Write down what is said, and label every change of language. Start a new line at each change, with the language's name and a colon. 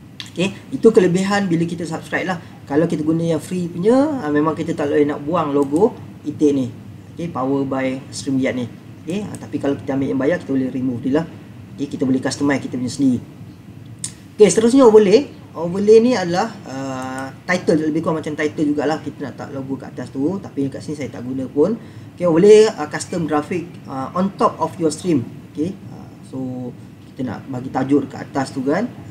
Malay: Okay, itu kelebihan bila kita subscribe lah. Kalau kita guna yang free punya, memang kita tak boleh nak buang logo itik ni. Okay, power by StreamYard ni. Okay, tapi kalau kita ambil yang bayar, kita boleh remove dia lah. Okay, kita boleh customize kita punya sendiri. Okay, seterusnya overlay. Overlay ni adalah title, lebih kurang macam title jugalah. Kita nak tak logo kat atas tu, tapi kat sini saya tak guna pun.
English: Okay, overlay custom graphic on top of your stream.
Malay: Okay, so kita nak bagi tajuk kat atas tu kan.